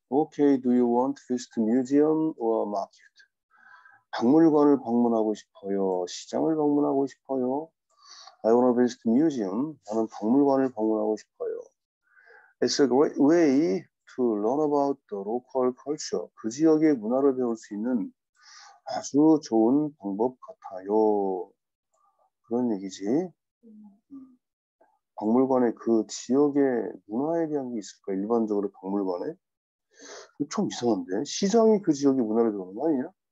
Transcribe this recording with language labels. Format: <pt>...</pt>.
<en>Okay, do you want to visit museum or market?</en> <ko>박물관을 방문하고 싶어요? 시장을 방문하고 싶어요?</ko> <en>I want to visit the museum.</en> <ko>나는 박물관을 방문하고 싶어요.</ko> <en>It's a great way to learn about the local culture.</en> <ko>그 지역의 문화를 배울 수 있는 아주 좋은 방법 같아요. 그런 얘기지. 박물관에 그 지역의 문화에 대한 게 있을까? 일반적으로 박물관에? 좀 이상한데? 시장이 그 지역의 문화를 배우는 거 아니냐?</ko>